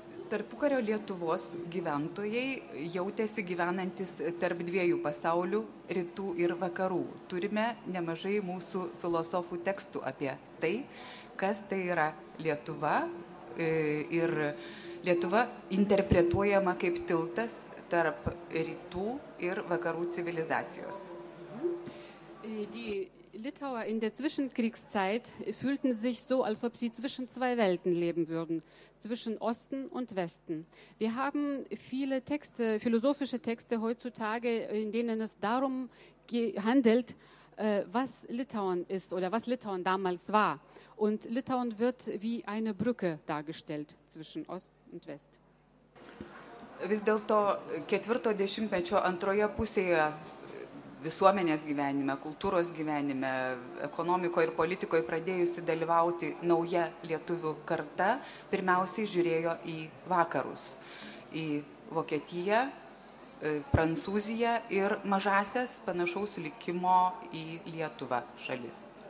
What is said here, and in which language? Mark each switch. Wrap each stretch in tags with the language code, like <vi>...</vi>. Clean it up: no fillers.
<lt>Tarpukario Lietuvos gyventojai jautėsi gyvenantis tarp dviejų pasaulių, rytų ir vakarų. Turime nemažai mūsų filosofų tekstų apie tai, kas tai yra Lietuva, ir Lietuva interpretuojama kaip tiltas tarp rytų ir vakarų civilizacijos.</lt> <de>Die Litauer in der Zwischenkriegszeit fühlten sich so, als ob sie zwischen zwei Welten leben würden, zwischen Osten und Westen. Wir haben viele Texte, philosophische Texte heutzutage, in denen es darum handelt, was Litauen ist oder was Litauen damals war. Und Litauen wird wie eine Brücke dargestellt zwischen Ost und West.</de> <lt>Vis dėlto ketvirto dešimtmečio antroje pusėje visuomenės gyvenime, kultūros gyvenime, ekonomikoje ir politikoje pradėjusi dalyvauti nauja lietuvių karta, pirmiausiai žiūrėjo į vakarus, į Vokietiją, Prancūziją ir mažasias panašaus likimo į Lietuvą šalis.</lt>